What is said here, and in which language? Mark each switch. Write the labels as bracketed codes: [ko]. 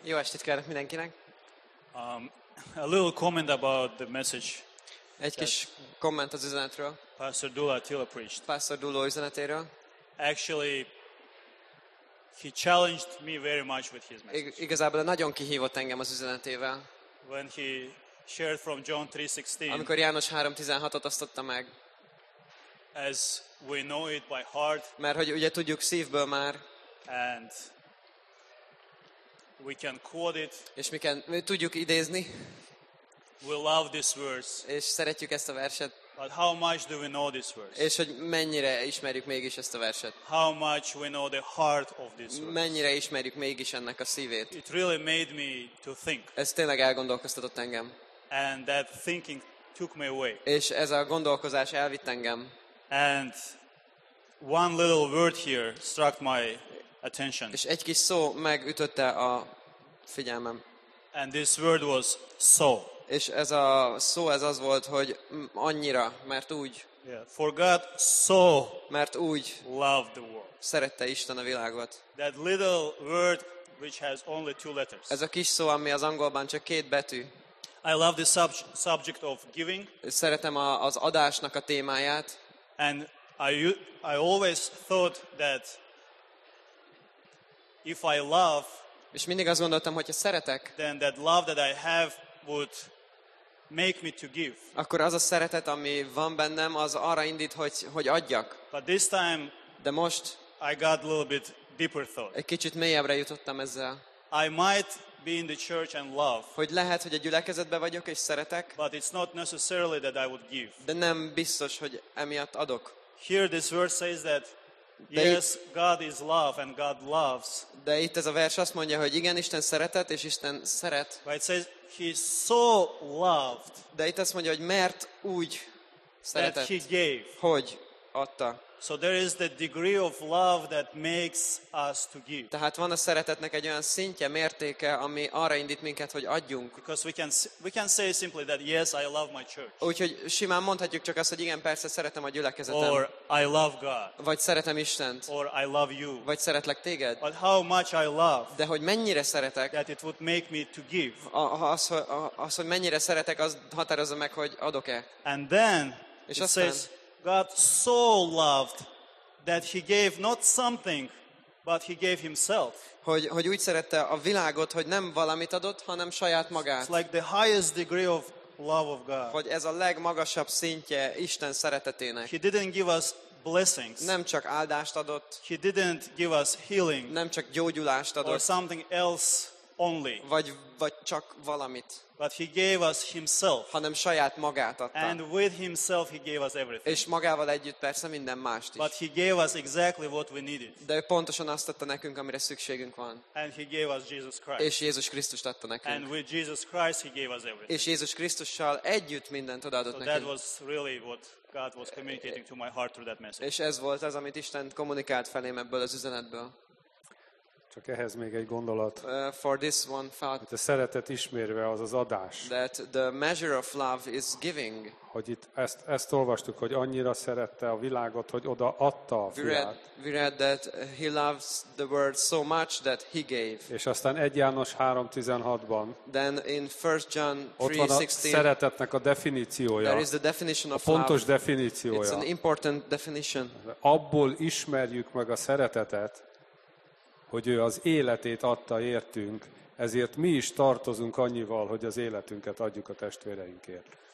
[hu] Jó estét kívánok mindenkinek. [en] A little comment about the message. [hu] Egy kis komment az üzenetről. [en] Pastor Dula Attila preached. [hu] Pastor Dula üzenetéről. [en] Actually, he challenged me very much with his message. [hu] Igazából nagyon kihívott engem az üzenetével. [en] When he shared from John 3:16. [hu] Amikor János 3:16-ot osztotta meg. [en] As we know it by heart. [hu] Mert hogy ugye tudjuk szívből már. [en] And we can quote it. [hu] És mi tudjuk idézni. [en] We love this verse. [hu] És szeretjük ezt a verset. [en] But how much do we know this verse? [hu] És hogy mennyire ismerjük mégis ezt a verset. [en] How much we know the heart of this verse. [hu] Mennyire ismerjük mégis ennek a szívét. [en] It really made me to think. [hu] Ez tényleg elgondolkoztatott engem. [en] And that thinking took me away. [hu] És ez a gondolkozás elvitt engem. [en] And one little word here struck my attention. [hu] És egy kis szó megütötte a figyelmem. [en] And this word was so. [hu] És ez a szó ez az volt, hogy annyira, mert úgy. [en] Yeah. For God so. [hu] Mert úgy. [en] Loved the world. [hu] Szerette Isten a világot. [en] That little word which has only two letters. [hu] Ez a kis szó, ami az angolban csak két betű. [en] I love the subject of giving. [hu] Szeretem az adásnak a témáját. [en] And I always thought that if I love, [hu] és mindig azt gondoltam, hogyha szeretek, [en] then that love that I have would make me to give. [hu] Akkor az a szeretet, ami van bennem, az arra indít, hogy adjak. [en] But this time, [hu] de most, [en] I got a little bit deeper thought. [hu] Egy kicsit mélyebbre jutottam ezzel. [en] I might be in the church and love. [hu] Hogy lehet, hogy a gyülekezetbe vagyok és szeretek. [en] But it's not necessarily that I would give. [hu] De nem biztos, hogy emiatt adok. [en] Here this verse says that yes, God is love and God loves. [hu] De itt ez a vers azt mondja, hogy igen, Isten szeretet és Isten szeret. [en] But it says he so loved. [hu] De itt azt mondja, hogy mert úgy szeretett. [en] That he gave. [hu] Hogy adta. [en] So there is the degree of love that makes us to give. [hu] Tehát van a szeretetnek egy olyan szintje, mértéke, ami arra indít minket, hogy adjunk. [en] Because we can say simply that yes, I love my church. [hu] Úgyhogy simán mondhatjuk csak azt, hogy igen, persze szeretem a gyülekezetem. [en] Or I love God. [hu] Vagy szeretem Istent. [en] Or I love you. [hu] Vagy szeretlek téged. [en] But how much I love. [hu] De hogy mennyire szeretek. [en] That it would make me to give. [hu] Az, hogy mennyire szeretek, az határozza meg, hogy adok-e. [en] And then és it aztán says God so loved that he gave not something, but he gave himself. [hu] Hogy úgy szerette a világot, hogy nem valamit adott, hanem saját magát. [en] It's like the highest degree of love of God. [hu] Hogy ez a legmagasabb szintje Isten szeretetének. [en] He didn't give us blessings. [hu] Nem csak áldást adott. [en] He didn't give us healing. [hu] Nem csak gyógyulást adott. [en] Or something else only. [hu] Vagy csak valamit. [en] But he gave us himself. [hu] Hanem saját magát adta. [en] And with himself he gave us everything. [hu] És magával együtt persze minden mást is. [en] But he gave us exactly what we needed. [hu] De pontosan azt adta nekünk, amire szükségünk van. [en] And he gave us Jesus Christ. [hu] És Jézus Krisztust adta nekünk. [en] And with Jesus Christ he gave us everything. [hu] És Jézus Krisztussal együtt mindent odaadott [en] so [hu] nekünk. [en] That was really what God was communicating to my heart through that message. [hu] És ez volt az, amit Isten kommunikált felém ebből az üzenetből. Csak ehhez még egy gondolat. [en] For this one thought, [hu] hogy a szeretet ismérve az az adás. [en] That the measure of love is giving. [hu] Hogy itt ezt olvastuk, hogy annyira szerette a világot, hogy oda adta a fiát. [en] We read that he loves the world so much that he gave. [hu] És aztán 1 János 3:16-ban. [en] Then in 1 John 3:16. [hu] Szeretetnek a definíciója. [en] There is the definition of [hu] a fontos [en] love. [hu] Definíciója. [en] It's an important definition. [hu] Abból ismerjük meg a szeretetet, hogy ő az életét adta értünk, ezért mi is tartozunk annyival, hogy az életünket adjuk a testvéreinkért.